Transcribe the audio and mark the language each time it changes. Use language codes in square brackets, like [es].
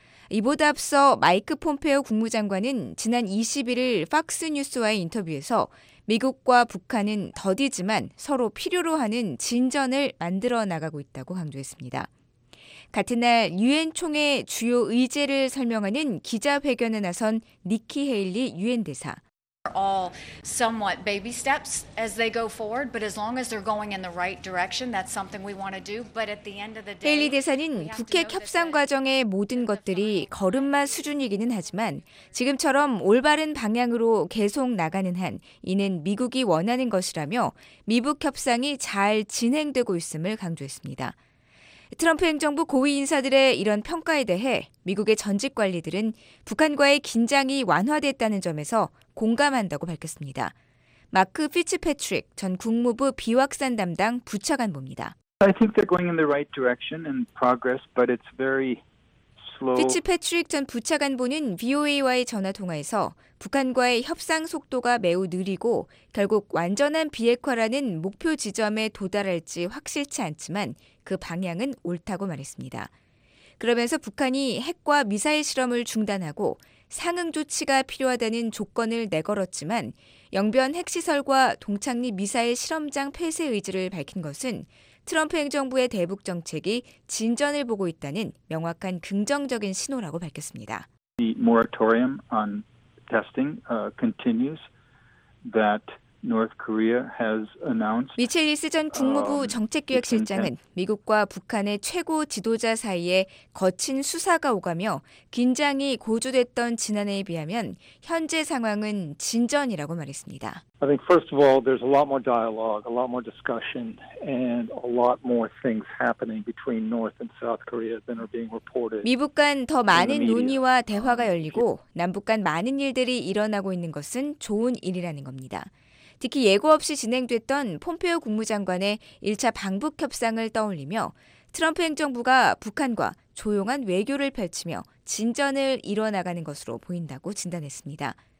[ko] 이보다 앞서 마이크 폼페오 국무장관은 지난 21일 팍스뉴스와의 인터뷰에서 미국과 북한은 더디지만 서로 필요로 하는 진전을 만들어 나가고 있다고 강조했습니다. 같은 날 유엔 총회 주요 의제를 설명하는 기자회견에 나선 니키 헤일리 유엔 대사. [en] All somewhat baby steps as they go forward, but as long as they're going in the right direction, that's something we want to do. But at the end of the day, [ko] 헤일리 대사는 북핵 협상 과정의 모든 것들이 걸음마 수준이기는 하지만 지금처럼 올바른 방향으로 계속 나가는 한 이는 미국이 원하는 것이라며 미북 협상이 잘 진행되고 있음을 강조했습니다. 트럼프 행정부 고위 인사들의 이런 평가에 대해 미국의 전직 관리들은 북한과의 긴장이 완화됐다는 점에서 공감한다고 밝혔습니다. 마크 피츠패트릭 전 국무부 비확산 담당 부차관보입니다. [en] I think they're going in the right direction and progress, but it's very slow. [ko] 피츠패트릭 전 부차관보는 VOA와의 전화 통화에서 북한과의 협상 속도가 매우 느리고 결국 완전한 비핵화라는 목표 지점에 도달할지 확실치 않지만 그 방향은 옳다고 말했습니다. 그러면서 북한이 핵과 미사일 실험을 중단하고 상응 조치가 필요하다는 조건을 내걸었지만 영변 핵시설과 동창립 미사일 실험장 폐쇄 의지를 밝힌 것은 트럼프 행정부의 대북 정책이 진전을 보고 있다는 명확한 긍정적인 신호라고 밝혔습니다. [en] The moratorium on testing continues that North Korea has announced. [ko] 미첼 리스 전 국무부 정책기획실장은 미국과 북한의 최고 지도자 사이에 거친 수사가 오가며 긴장이 고조됐던 지난해에 비하면 현재 상황은 진전이라고 말했습니다. [en] I think first of all, there's a lot more dialogue, a lot more discussion, and a lot more things happening between North and South Korea than are being reported. [ko] 미북 간 더 많은 논의와 대화가 열리고 남북 간 많은 일들이 일어나고 있는 것은 좋은 일이라는 겁니다. 특히 예고 없이 진행됐던 폼페이오 국무장관의 1차 방북 협상을 떠올리며 트럼프 행정부가 북한과 조용한 외교를 펼치며 진전을 이뤄나가는 것으로 보인다고 진단했습니다.